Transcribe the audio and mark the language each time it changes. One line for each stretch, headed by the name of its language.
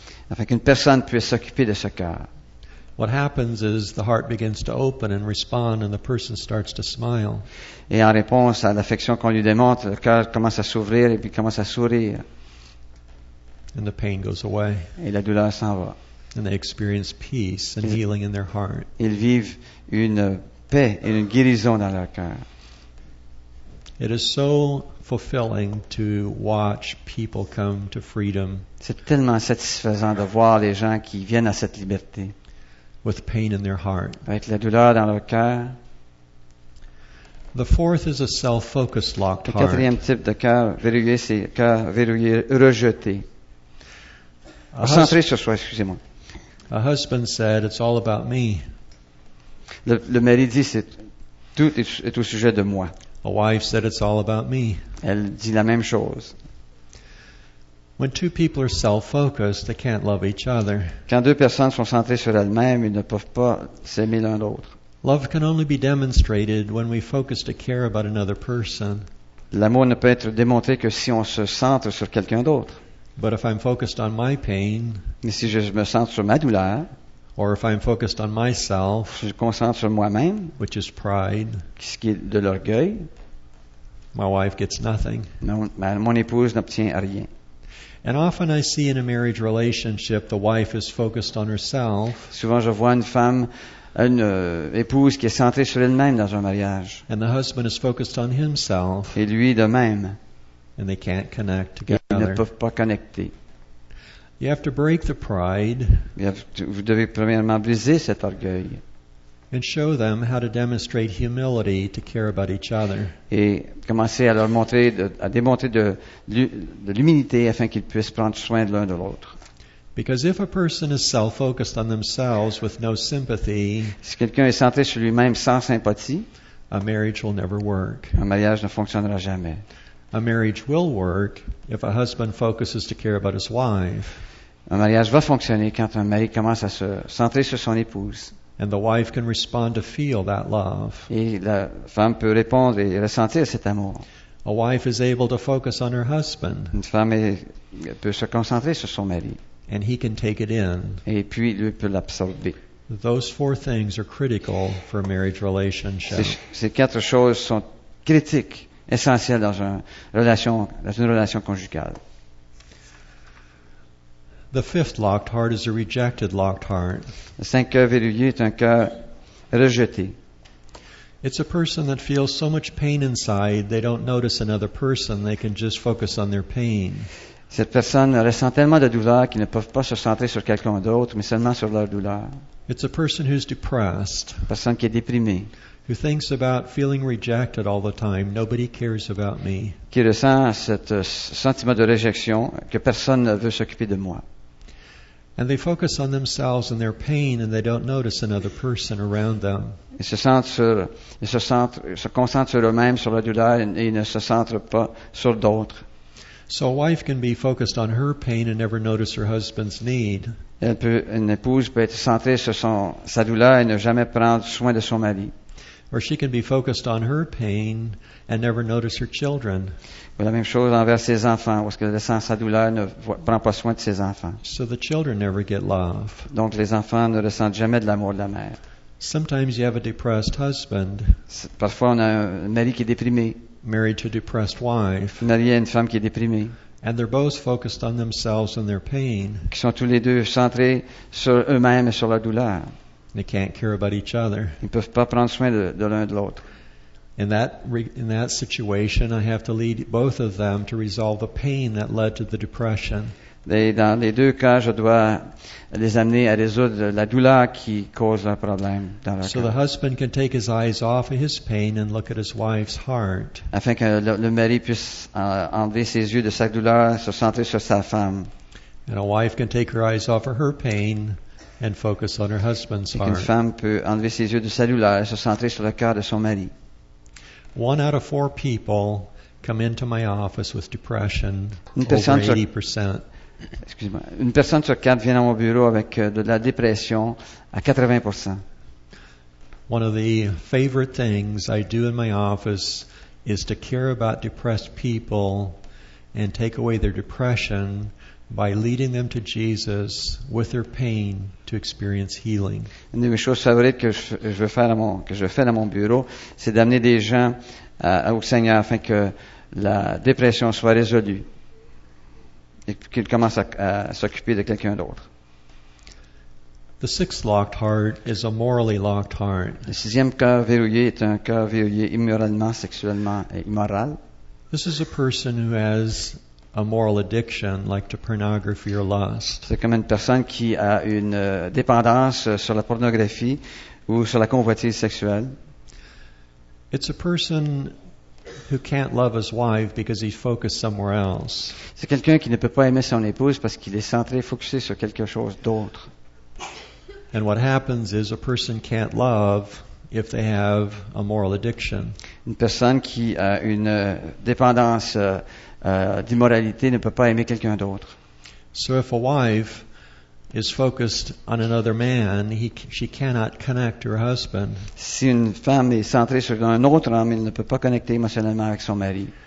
French: Afin qu'une personne puisse s'occuper de ce cœur.
English: What happens is the heart begins to open and respond and the person starts to smile.
French: Et en réponse à l'affection qu'on lui démontre, le cœur commence à s'ouvrir et puis commence à sourire.
English: And the pain goes away.
French: Et la douleur s'en va.
English: And they experience peace and healing in their heart.
French: Ils vivent une paix et une guérison dans leur cœur.
English: It is so fulfilling to watch people come to freedom.
French: C'est tellement satisfaisant de voir les gens qui viennent à cette liberté.
English: With pain in their heart.
French: Avec la douleur dans leur cœur.
English: The fourth is a self-focused locked heart.
French: Le quatrième type de cœur verrouillé, c'est cœur verrouillé, rejeté. Centré sur soi, excusez-moi.
English: A husband said, "It's all about me."
French: Le mari dit, c'est tout est au sujet de moi.
English: A wife said, "It's all about me."
French: Elle dit la même chose.
English: When two people are self-focused, they can't love each other.
French: Quand deux personnes sont centrées sur elles-mêmes, ils ne peuvent pas s'aimer l'un l'autre.
English: Love can only be demonstrated when we focus to care about another person.
French: L'amour ne peut être démontré que si on se centre sur quelqu'un d'autre.
English: But if I'm focused on my pain,
French: mais si je me centre sur ma douleur,
English: or if I'm focused on myself,
French: si je me concentre sur moi-même,
English: which is pride,
French: ce qui est de l'orgueil,
English: my wife gets nothing.
French: Mon épouse n'obtient rien.
English: And often I see in a marriage relationship the wife is focused on herself.
French: Souvent je vois une femme, une épouse qui est centrée sur elle-même dans un mariage.
English: And the husband is focused on himself.
French: Et lui de même.
English: And they can't connect together.
French: Ils ne peuvent pas connecter.
English: You have to break the pride.
French: Vous devez premièrement briser cet orgueil.
English: And show them how to demonstrate humility to care about each other.
French: Et commencer à leur montrer, à démontrer de l'humilité afin qu'ils puissent prendre soin de l'un de l'autre.
English: Because if a person is self-focused on themselves with no sympathy,
French: si quelqu'un est centré sur lui-même sans sympathie,
English: a marriage will never work.
French: Un mariage ne fonctionnera jamais.
English: A marriage will work if a husband focuses to care about his wife.
French: Un mariage va fonctionner quand un mari commence à se centrer sur son épouse.
English: And the wife can respond to feel that love.
French: Et la femme peut répondre et ressentir cet amour.
English: A wife is able to focus on her husband.
French: Une femme peut se concentrer sur son mari.
English: And he can take it in.
French: Et puis lui peut l'absorber.
English: Those four things are critical for a marriage relationship.
French: Ces quatre choses sont critiques, essentielles dans une relation conjugale.
English: The fifth locked heart is a rejected locked heart.
French: Le cinquième cœur verrouillé est un cœur rejeté.
English: It's a person that feels so much pain inside they don't notice another person. They can just focus on their pain.
French: Cette personne ressent tellement de douleur qu'ils ne peuvent pas se centrer sur quelqu'un d'autre, mais seulement sur leur douleur.
English: It's a person who's depressed.
French: Une personne qui est déprimée.
English: Who thinks about feeling rejected all the time? Nobody cares about me.
French: Qui ressent ce sentiment de réjection que personne ne veut s'occuper de moi.
English: And they focus on themselves and their pain, and they don't notice another person around them.
French: Ils se concentrent sur eux-mêmes, sur la douleur, et ils ne se centrent pas sur d'autres.
English: So a wife can be focused on her pain and never notice her husband's need.
French: Une épouse peut être centrée sur sa douleur et ne jamais prendre soin de son mari.
English: Or she can be focused on her pain and never notice her children.
French: Ou la même chose envers ses enfants, parce que laissant sa douleur ne prend pas soin de ses enfants.
English: So the children never get love.
French: Donc les enfants ne ressentent jamais de l'amour de la mère.
English: Sometimes you have a depressed husband.
French: Parfois on a un mari qui est déprimé.
English: Married to a depressed wife.
French: Marié à une femme qui est déprimée.
English: And they're both focused on themselves and their pain.
French: Qui sont tous les deux centrés sur eux-mêmes et sur leur douleur.
English: They can't care about each other.
French: Ils ne peuvent pas prendre soin de l'un de l'autre.
English: In that situation, I have to lead both of them to resolve the pain that led to the depression.
French: Et dans les deux cas, je dois les amener à résoudre la douleur qui cause un problème dans leur
English: cœur. So the husband can take his eyes off of his pain and look at his wife's heart.
French: Afin que le mari puisse enlever ses yeux de sa douleur, se centrer sur sa femme.
English: And a wife can take her eyes off of her pain and focus on her husband's heart.
French: Une femme peut enlever ses yeux de sa douleur et se centrer sur le cœur de son mari.
English: One out of four people come into my office with depression, over 80%.
French: Excuse-moi. Une personne sur quatre vient à mon bureau avec de la dépression à 80%.
English: One of the favorite things I do in my office is to care about depressed people and take away their depression by leading them to Jesus with their pain to experience healing.
French: Une des choses favorites que je fais dans mon bureau, c'est d'amener des gens au Seigneur afin que la dépression soit résolue. Et qu'il commence à s'occuper de quelqu'un d'autre.
English: The sixth locked heart is a morally locked heart.
French: Le sixième cœur verrouillé est un cœur verrouillé immoralement, sexuellement et immoral.
English: This is a person who has a moral addiction, like to pornography or lust.
French: C'est comme une personne qui a une dépendance sur la pornographie ou sur la convoitise sexuelle.
English: It's a person who can't love his wife because he's focused somewhere else.
French: C'est quelqu'un qui ne peut pas aimer son épouse parce qu'il est centré, focusé sur quelque chose d'autre.
English: And what happens is a person can't love if they have a moral addiction.
French: Une personne qui a une dépendance d'immoralité ne peut pas aimer quelqu'un d'autre.
English: So if a wife is focused on another man, she cannot connect her husband.
French: Si une femme est centrée sur un autre homme, elle ne peut pas connecter émotionnellement avec son mari.